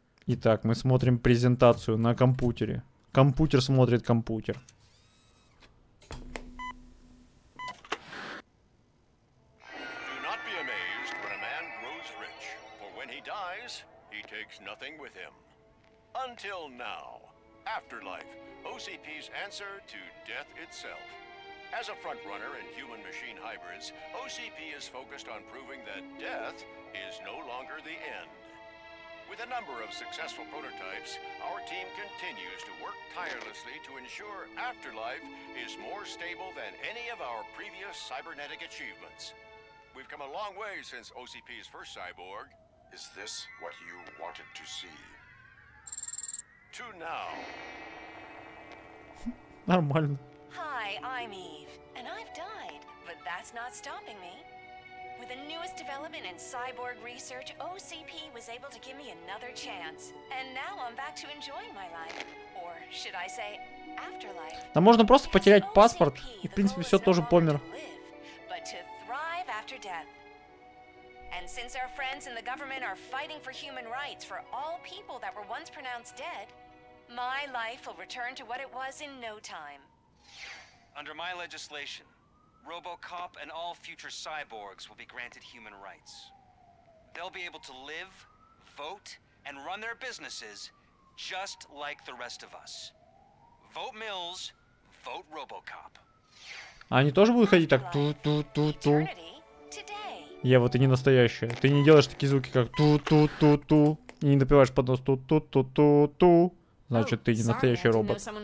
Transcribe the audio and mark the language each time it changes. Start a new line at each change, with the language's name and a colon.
Russian: Итак, мы смотрим презентацию на компьютере. Компьютер смотрит компьютер.
English: Do not be amazed when a man grows rich, for when he dies, he takes nothing with him. Until now, afterlife, OCP's answer to death itself. As a frontrunner in human-machine hybrids, OCP is focused on proving that death is no longer the end. With a number of successful prototypes, our team continues to work tirelessly to ensure Afterlife is more stable than any of our previous cybernetic achievements. We've come a long way since OCP's first cyborg. Is this what you wanted to see? To now.
Russian: Нормально.
English: Hi, I'm Eve, and I've died, but that's not stopping me. With the newest development in cyborg research, OCP was able to give me another chance. And now I'm back to enjoying my life. Or should I say, afterlife.
Russian: Да можно просто потерять паспорт, и в принципе все тоже помер.
English: But to thrive after death. And since our friends in the government are fighting for human rights for all people that were once pronounced dead, my life will return to what it was in no time. Under my legislation, RoboCop and all future cyborgs will be granted human rights. They'll be able to live, vote, and run their businesses just like the rest of us. Vote Mills, vote RoboCop.
Russian: Они тоже будут ходить так ту-ту-ту-ту. Ева, ты не настоящая. Ты не делаешь такие звуки, как ту-ту-ту-ту. И не напеваешь под нос ту-ту-ту-ту-ту. Значит, ты не настоящий робот.